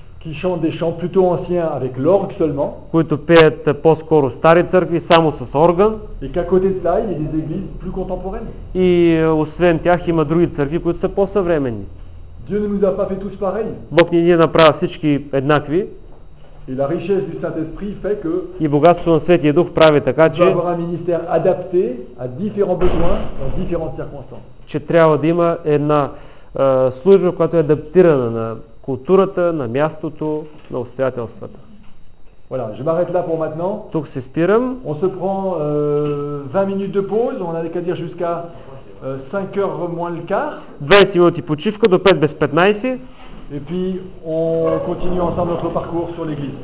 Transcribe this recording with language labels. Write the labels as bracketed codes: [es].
[fr] qui chantent des chants plutôt anciens avec l'orgue seulement. [bg] Които пеят по-скоро стари църкви само с орган. [fr] Et qu'à côté de ça, il y a des églises plus contemporaines. [bg] И освен тях има други църкви, които са по-съвременни. [fr] Dieu ne nous a pas fait tous pareils. [bg] Бог не ни е направил всички еднакви. [fr] Et la richesse du Saint-Esprit fait que [bg] и богатството на Светия Дух прави така, че [fr] avoir un ministère adapté à différents besoins dans différentes circonstances. [bg] Че трябва да има една служба, която е адаптирана на културата, на мястото, на обстоятелствата. [fr] Voilà, je m'arrête là pour maintenant. Donc c'est Spirum. On se prend 20 minutes de pause, on n'avait qu'à dire jusqu'à 5h moins le quart. [bg] 20 minuti počivko do 5 bez 15. [fr] Et puis on continue ensemble notre parcours sur l'église.